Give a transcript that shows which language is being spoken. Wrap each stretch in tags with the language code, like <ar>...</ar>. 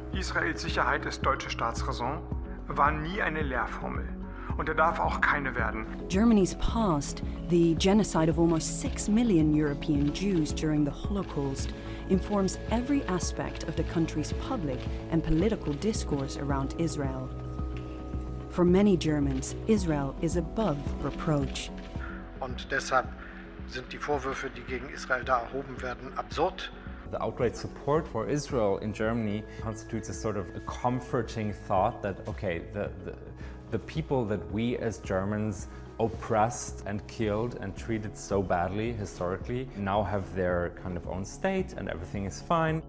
<de>Israel's Sicherheit ist deutsche Staatsraison, war nie eine Lehrformel. und er darf auch keine werden.</de> <en>Germany's past, the genocide of almost 6 million European Jews during the Holocaust, informs every aspect of the country's public and political discourse around Israel. For many Germans, Israel is above reproach.</en> <de>Und deshalb sind die Vorwürfe, die gegen Israel da erhoben werden, absurd.</de> <en>The outright support for Israel in Germany constitutes a sort of a comforting thought that, okay, the people that we as Germans oppressed and killed and treated so badly historically now have their kind of own state and everything is fine.</en>